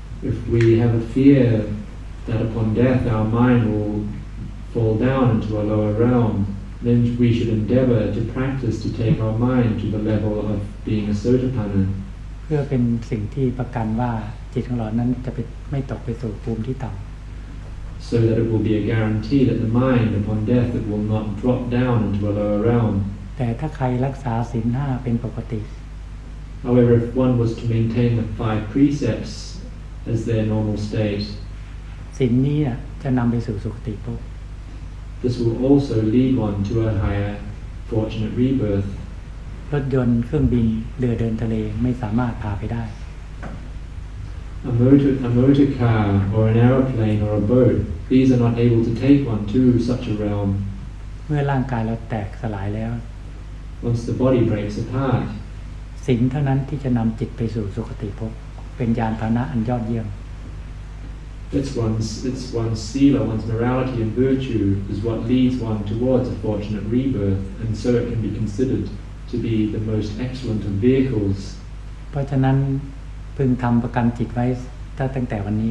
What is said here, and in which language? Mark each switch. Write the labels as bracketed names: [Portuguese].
[English] If we have a fear that upon death our mind will fall down into a lower realm then we should endeavor to practice to take our mind to the level of being a Sotapanna [Thai] เพื่อเป็นสิ่งที่ประกันว่าจิตของเรานั้นจะไปไม่ตกไปสู่ภูมิที่ต่ำ [English] So that it will be a guarantee that the mind upon death it will not drop down into a lower realm. [Thai] แต่ถ้าใครรักษาศีล5เป็นปกติ [English] However, if one was to maintain the five precepts as their normal state, [Thai] ศีลนี้จะนำไปสู่สุคติภพ [English] This will also lead one to a higher fortunate rebirth. [Thai] รถยนต์เครื่องบินเรือเดินทะเลไม่สามารถพาไปได้ [English] A motor car, or an aeroplane, or a boat, these are not able to take one to such a realm. [Thai] เมื่อร่างกายเราแตกสลายแล้ว [English] Once the body breaks apart, [Thai] สิ่งเท่านั้นที่จะนำจิตไปสู่สุคติภพเป็นยานพาหนะอันยอดเยี่ยม [English] It's one's sila, one's morality and virtue is what leads one towards a fortunate rebirth, and so it can be considered to be the most excellent of vehicles. [Thai] เพราะฉะนั้นพึงทำประกันจิตไว้ถ้าตั้งแต่วันนี